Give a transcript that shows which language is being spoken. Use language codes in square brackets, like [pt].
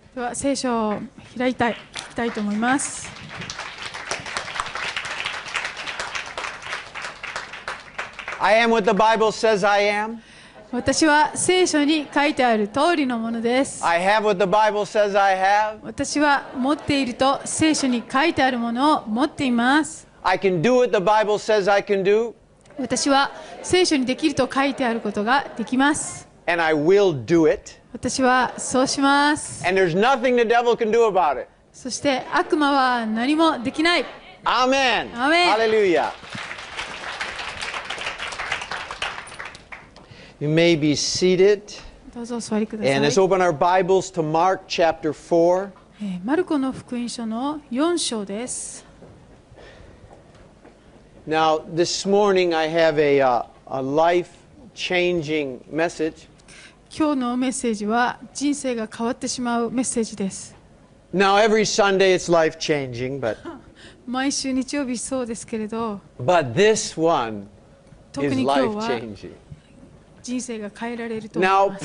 [ja] では、聖書を開きたいと思います。 [en] I am what the Bible says I am. [ja] 私は聖書に書いてある通りのものです。 [en] I have what the Bible says I have. [ja] 私は持っていると聖書に書いてあるものを持っています。 [en] I can do what the Bible says I can do. [ja] 私は聖書にできると書いてあることができます。 [en] And I will do it. [ja] 私はそうします。 [en] And there's nothing the devil can do about it. [ja] そして悪魔は何もできない。 [en] Amen. Amen. Hallelujah. You may be seated. [ja] どうぞお座りください。 [en] And let's open our Bibles to Mark chapter 4. [ja] マルコの福音書の4章です。 [en] Now, this morning I have a life-changing message. [ja] 今日のメッセージは人生が変わってしまうメッセージです。 [en] Now, every Sunday it's life-changing, but... [ja] 毎週日曜日そうですけれど。 [en] But this one is life-changing. [ja] 人生が変えられると思います